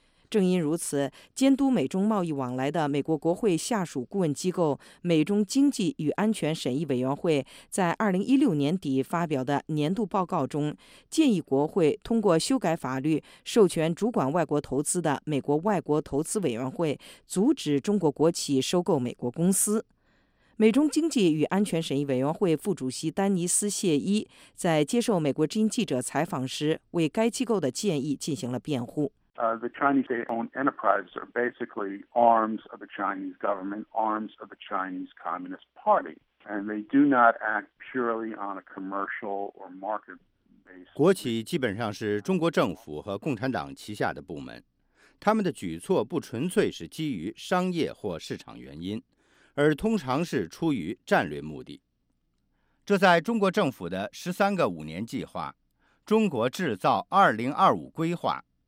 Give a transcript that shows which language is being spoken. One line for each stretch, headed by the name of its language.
Chinese: 正因如此，监督美中贸易往来的美国国会下属顾问机构美中经济与安全审议委员会在2016年底发表的年度报告中，建议国会通过修改法律，授权主管外国投资的美国外国投资委员会阻止中国国企收购美国公司。美中经济与安全审议委员会副主席丹尼斯·谢伊在接受美国之音记者采访时，为该机构的建议进行了辩护。
English: The Chinese state-owned enterprises are basically arms of the Chinese government, arms of the Chinese Communist Party, and they do not act purely on a commercial or market basis.
Chinese: 国企基本上是中国政府和共产党旗下的部门，他们的举措不纯粹是基于商业或市场原因，而通常是出于战略目的。这在中国政府的13个5年计划、中国制造2025规划。